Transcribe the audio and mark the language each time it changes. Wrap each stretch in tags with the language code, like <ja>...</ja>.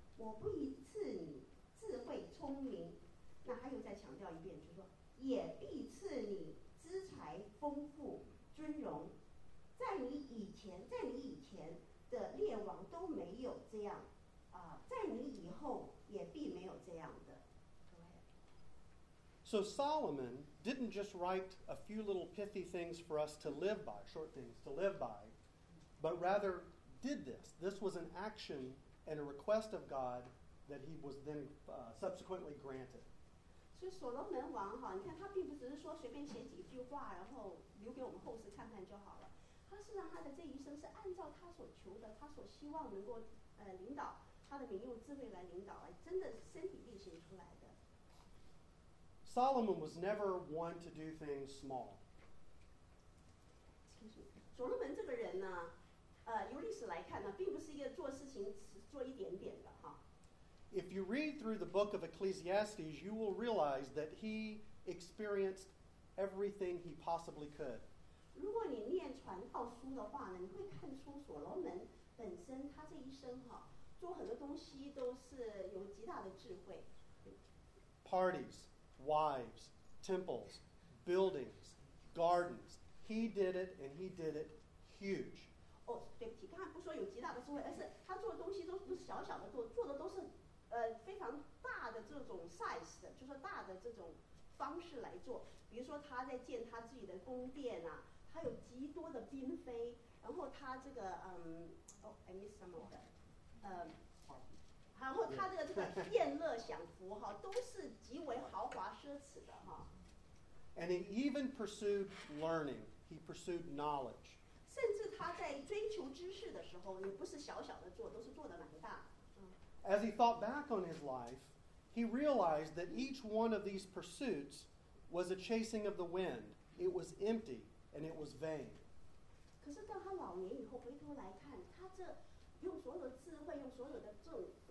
<zh>我不宜赐你智慧聪明，那他又再强调一遍，就说也必赐你资财丰富尊荣，在你以前的列王都没有这样，在你以后也必没有这样的。</zh> <en>So Solomon didn't just write a few little pithy things for us to live by, short things to live by, but rather did this. This was an action and a request of God that he was then subsequently granted.</en> <zh>So Solomon 王哈，你看他并不只是说随便写几句话，然后留给我们后世看看就好了。他是让他的这一生是按照他所求的，他所希望能够领导他的民用智慧来领导，真的身体力行出来的。</zh> <en>Solomon was never one to do things small.</en> <zh>Solomon 这个人呢，由历史来看呢，并不是一个做事情做一点点的哈。</zh> <en>If you read through the book of Ecclesiastes, you will realize that he experienced everything he possibly could.</en> <zh>如果你念传道书的话呢，你会看出所罗门本身他这一生哈，做很多东西都是有极大的智慧。</zh> <en>Parties. Wives, temples, buildings, gardens. He did it, and he did it huge.</en> <zh>Oh, 对不起，刚才不说有极大的智慧，而是他做的东西都不是小小的，做的都是非常大的这种 size 的，就是大的这种方式来做。比如说他在建他自己的宫殿啊，他有极多的嫔妃，然后他这个</zh> <en>I miss some of that.</en> <zh>然后他这个宴乐享福哈，都是极为豪华奢侈的哈。</zh> <en>And he even pursued learning, he pursued knowledge.</en> <zh>甚至他在追求知识的时候，也不是小小的做，都是做的蛮大。</zh> <en>As he thought back on his life, he realized that each one of these pursuits was a chasing of the wind. It was empty and it was vain.</en> <zh>可是当他老年以后回头来看，他这用所有的智慧，用所有的这种。</zh>